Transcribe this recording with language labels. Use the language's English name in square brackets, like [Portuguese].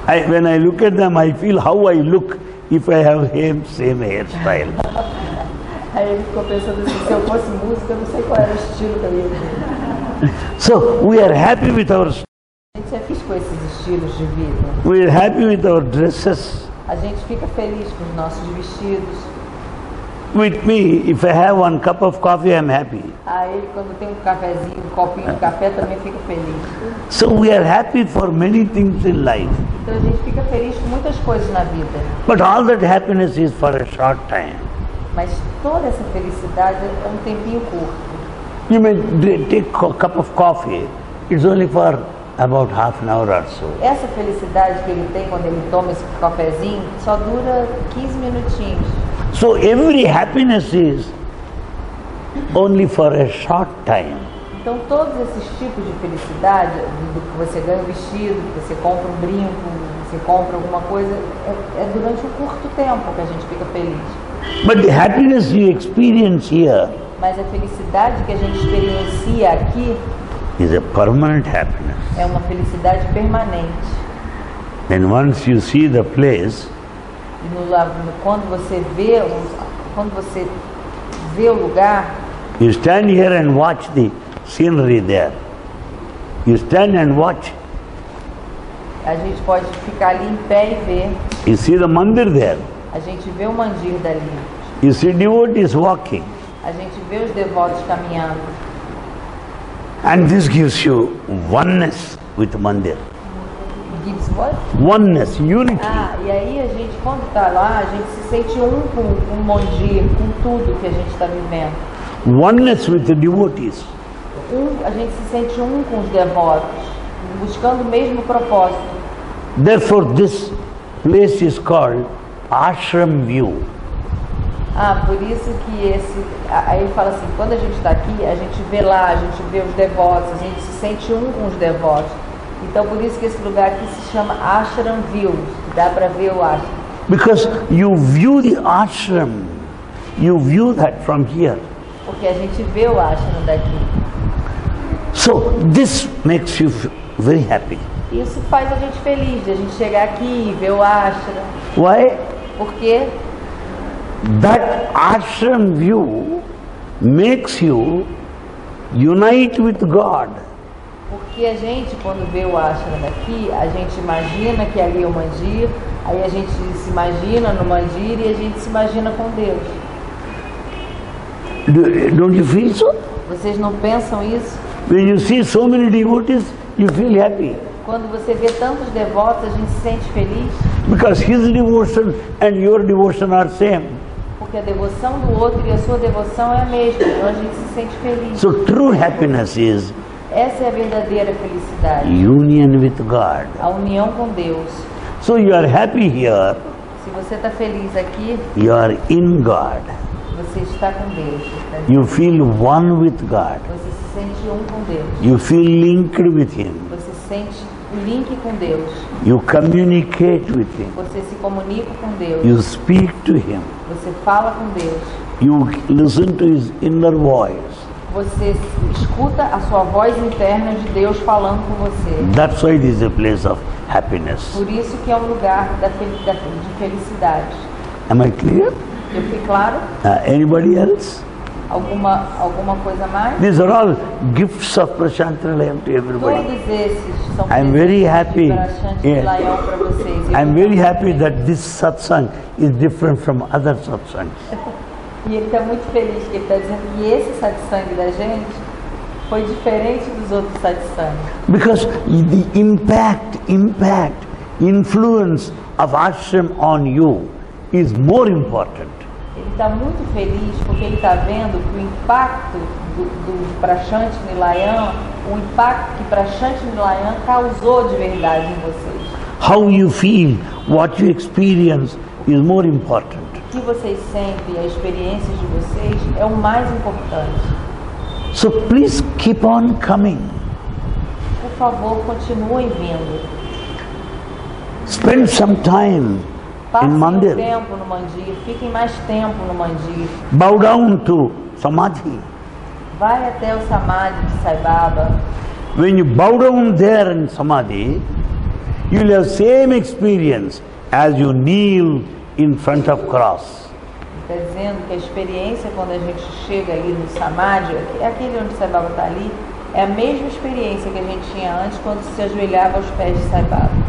[English] When I look at them, I feel how I look if I have same hairstyle. [Portuguese] Aí ele ficou pensando assim, se eu fosse músico, eu não sei qual era o estilo que eu ia ter. [English] So, we are happy with our... [Portuguese] A gente é feliz com esses estilos de vida. [English] We are happy with our dresses. [Portuguese] A gente fica feliz com os nossos vestidos. [English] With me, if I have one cup of coffee, I'm happy. [Portuguese] Ah, ele quando tem um cafezinho, um copinho de café, também fica feliz. [English] So, we are happy for many things in life. [Portuguese] Então, a gente fica feliz com muitas coisas na vida. [English] But all that happiness is for a short time. [Portuguese] Mas toda essa felicidade é um tempinho curto. [English] You may take a cup of coffee. It's only for about half an hour or so. [Portuguese] Essa felicidade que ele tem quando ele toma esse cafezinho só dura 15 minutinhos. [English] So every happiness is only for a short time. [Portuguese] Então todos esses tipos de felicidade, do que você ganha um vestido, que você compra um brinco, você compra alguma coisa, é durante um curto tempo que a gente fica feliz. [English] But the happiness you experience here. [Portuguese] Mas a felicidade que a gente experiencia aqui [English] is a permanent happiness. [Portuguese] É uma felicidade permanente. [English] Then once you see the place, [Portuguese] quando você vê o lugar, [English] you stand here and watch the scenery there. You stand and watch. [Portuguese] A gente pode ficar ali em pé e ver. [English] You see the mandir there. [Portuguese] A gente vê o mandir dali. [English] You see devotees walking. [Portuguese] A gente vê os devotos caminhando. [English] And this gives you oneness with mandir. Gives what? Oneness, unity. [Portuguese] Ah, e aí a gente, quando está lá, a gente se sente um com o mandir, com tudo que a gente está vivendo. [English] Oneness with the devotees. [Portuguese] A gente se sente um com os devotos, buscando o mesmo propósito. [English] Therefore, this place is called Ashram View. [Portuguese] Ah, por isso que esse... Aí ele fala assim, quando a gente está aqui, a gente vê lá, a gente vê os devotos, a gente se sente um com os devotos. Então, por isso que esse lugar aqui se chama Ashram View. Dá para ver o ashram. [English] Because you view the ashram, you view that from here. [Portuguese] Porque a gente vê o ashram daqui. [English] So, this makes you very happy. [Portuguese] Isso faz a gente feliz, de a gente chegar aqui e ver o ashram. [English] Why? [Portuguese] Porque [English] that ashram view makes you unite with God. [Portuguese] Porque a gente, quando vê o ashram daqui, a gente imagina que ali é o mandir, aí a gente se imagina no mandir e a gente se imagina com Deus. [English] Don't you feel so? [Portuguese] Vocês não pensam isso? [English] When you see so many devotees, you feel happy. [Portuguese] Quando você vê tantos devotos, a gente se sente feliz. [English] Because his devotion and your devotion are same. [Portuguese] Porque a devoção do outro e a sua devoção é a mesma, então a gente se sente feliz. [English] So true happiness is. [Portuguese] Essa é a verdadeira felicidade. [English] Union with God. [Portuguese] A união com Deus. [English] So you are happy here. [Portuguese] Se você está feliz aqui. [English] You are in God. [Portuguese] Você está com Deus. [English] You feel one with God. [Portuguese] Você se sente um com Deus. [English] You feel linked with Him. [Portuguese] Você se sente um link com Deus. [English] You communicate with Him. [Portuguese] Você se comunica com Deus. [English] You speak to Him. [Portuguese] Você fala com Deus. [English] You listen to His inner voice. [Portuguese] Você escuta a sua voz interna de Deus falando com você. [English] That's why it is a place of happiness. [Portuguese] Por isso que é um lugar de felicidade. [English] Am I clear? [Portuguese] Eu fui claro? [English] Anybody else? [Portuguese] Alguma coisa mais? [English] These are all gifts of Prachantra Layam to everybody. [Portuguese] Todos esses são [English] I'm very happy. Yeah. I'm very happy that this satsang is different from other satsangs. [Portuguese] E ele está muito feliz que ele está dizendo que esse satsang da gente foi diferente dos outros satsangs. [English] Because the impact, influence of ashram on you is more important. [Portuguese] Ele está muito feliz porque ele está vendo que o impacto do Prachanti Nilayan, o impacto que Prachanti Nilayan causou de verdade em vocês. [English] How you feel, what you experience is more important. [Portuguese] O que vocês sentem, a experiência de vocês, é o mais importante. [English] So please keep on coming. [Portuguese] Por favor, continuem vindo. [English] Spend some time [Portuguese] Passem [English] in mandir. [Portuguese] Passem tempo no mandir. Fiquem mais tempo no mandir. [English] Bow down to samadhi. [Portuguese] Vai até o samadhi de Sai Baba. [English] When you bow down there in samadhi, you will have same experience as you kneel in front of cross. [Portuguese] Está dizendo que a experiência quando a gente chega ali no samadhi, é aquele onde Sai Baba está ali, é a mesma experiência que a gente tinha antes quando se ajoelhava aos pés de Sai Baba.